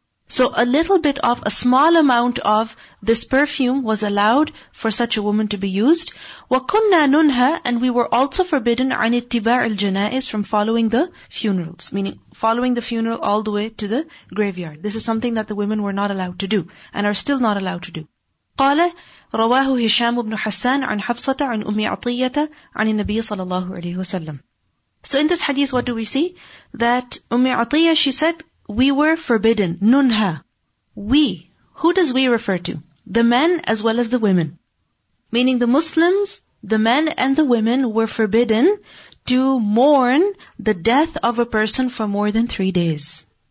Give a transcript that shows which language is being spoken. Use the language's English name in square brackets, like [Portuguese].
[English] So a little bit of, a small amount of this perfume was allowed for such a woman to be used. [Arabic] وكنا ننهى, [English] and we were also forbidden, [Arabic] عن اتباع الجنائز, [English] from following the funerals. Meaning following the funeral all the way to the graveyard. This is something that the women were not allowed to do and are still not allowed to do. [Arabic] قال رواه هشام بن حسان عن حفصة عن أم عطية عن النبي صلى الله عليه وسلم. [English] So in this hadith, what do we see? That Umm Atiyah, she said, we were forbidden. Nunha. We. Who does we refer to? The men as well as the women. Meaning the Muslims, the men and the women were forbidden to mourn the death of a person for more than 3 days.